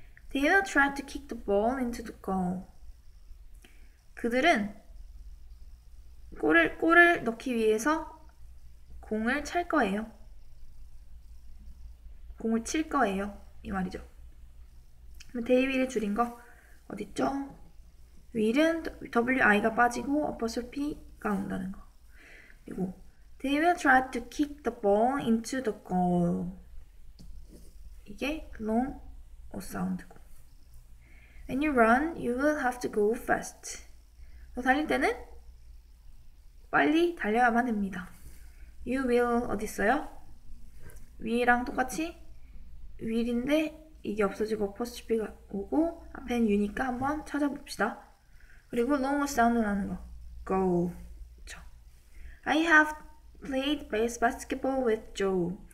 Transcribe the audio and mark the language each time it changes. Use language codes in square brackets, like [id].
[en] They have tried to kick the ball into the goal. [ko] 그들은 골을 넣기 위해서 공을 찰 거예요. 공을 칠 거예요. 이 말이죠. 그럼 they will 줄인 거 어딨죠? will은 wi가 빠지고 apostrophe가 온다는 거. [en] 그리고 they will try to kick the ball into the goal. [ko] 이게 long o sound고. [en] When you run, you will have to go fast. [ko] 너 달릴 때는 빨리 달려야만 됩니다. You will 어디 있어요? will이랑 똑같이 will인데 이게 없어지고 apostrophe가 오고 앞엔 u니까 한번 찾아봅시다. [en] 그리고 long o sound 나는 거. go. I have played basketball with Joe.